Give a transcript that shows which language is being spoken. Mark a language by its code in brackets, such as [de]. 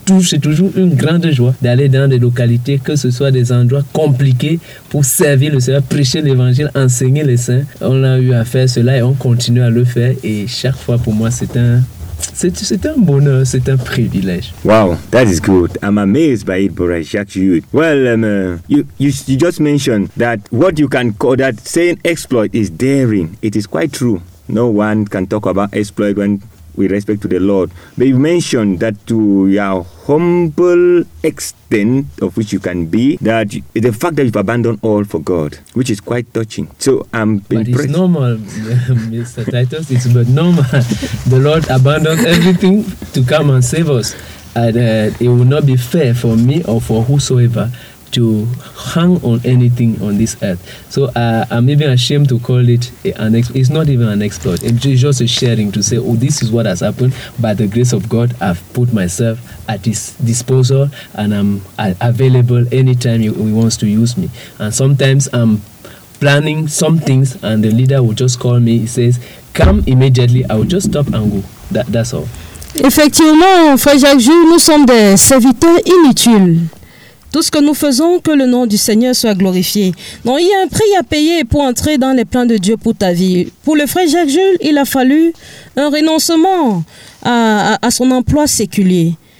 [fr] C'est toujours une grande joie d'aller dans des localités, que ce soit des endroits compliqués, pour servir le Seigneur, prêcher l'Évangile, enseigner les saints. On a eu à faire cela et on continue à le faire. Et chaque fois, pour moi, c'est un bonheur, c'est un privilège. [en] Wow, that is good. I'm amazed by it, Brother Jacques Jude. Well, you just mentioned that what you can call that saying exploit is daring. It is quite true. No one can talk about exploit when we respect to the Lord. But you mentioned that to your humble extent of which you can be, that the fact that you've abandoned all for God, which is quite touching. So I'm impressed. But it's normal, Mr. Titus. It's but normal. The Lord abandoned everything to come and save us. And it will not be fair for me or for whosoever to hang on anything on this earth. So I'm even ashamed to call it it's not even an exploit. It's just a sharing to say, oh, this is what has happened. By the grace of God, I've put myself at his disposal and I'm available anytime he wants to use me. And sometimes I'm planning some things and the leader will just call me. He says, come immediately. I will just stop and go. That's all. [fr] Effectivement, Frère Jacques-Jules, nous sommes des serviteurs inutiles. Tout ce que nous faisons, que le nom du Seigneur soit glorifié. Donc, il y a un prix à payer pour entrer dans les plans de Dieu pour ta vie. Pour le frère Jacques Jules, il a fallu un renoncement à son emploi séculier.